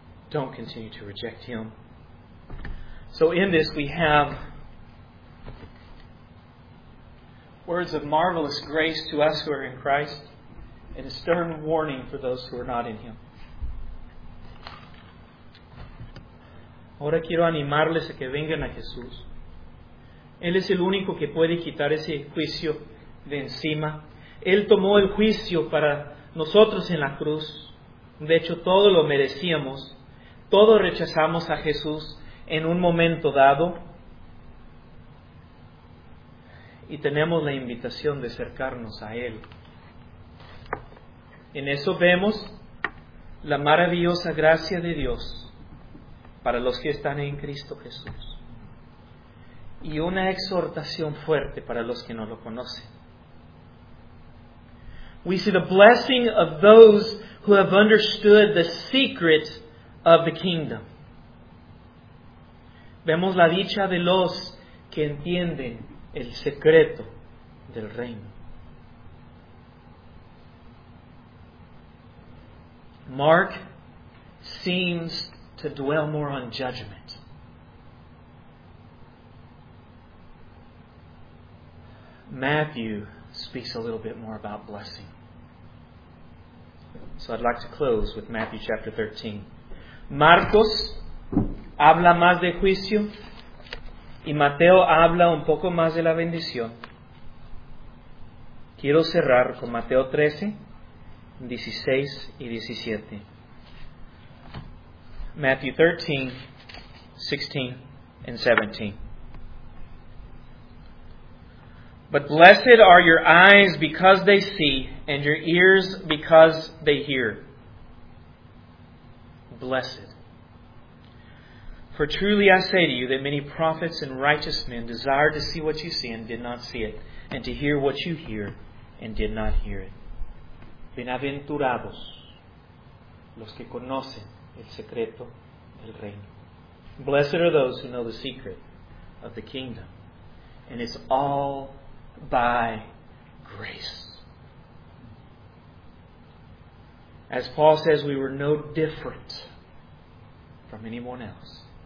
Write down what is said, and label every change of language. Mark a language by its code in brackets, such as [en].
[en] Don't continue to reject Him. So in this we have words of marvelous grace to us who are in Christ, and a stern warning for those who are not in Him. [es] Ahora quiero animarles a que vengan a Jesús. Él es el único que puede quitar ese juicio de encima. Él tomó el juicio para nosotros en la cruz. De hecho, todo lo merecíamos. Todos rechazamos a Jesús en un momento dado. Y tenemos la invitación de acercarnos a Él. En eso vemos la maravillosa gracia de Dios para los que están en Cristo Jesús. Y una exhortación fuerte para los que no lo conocen. [en] We see the blessing of those who have understood the secret of the kingdom. [es] Vemos la dicha de los que entienden el secreto del reino. [en] Mark seems to dwell more on judgment. Matthew speaks a little bit more about blessing. So I'd like to close with Matthew chapter 13. [es] Marcos habla más de juicio. Y Mateo habla un poco más de la bendición. Quiero cerrar con Mateo 13, 16 y 17. [en] Matthew 13, 16 and 17. But blessed are your eyes because they see, and your ears because they hear. Blessed. For truly I say to you that many prophets and righteous men desired to see what you see and did not see it, and to hear what you hear and did not hear it. [es] Bienaventurados los que conocen el secreto del reino. [en] Blessed are those who know the secret of the kingdom. And it's all by grace. As Paul says, we were no different from anyone else.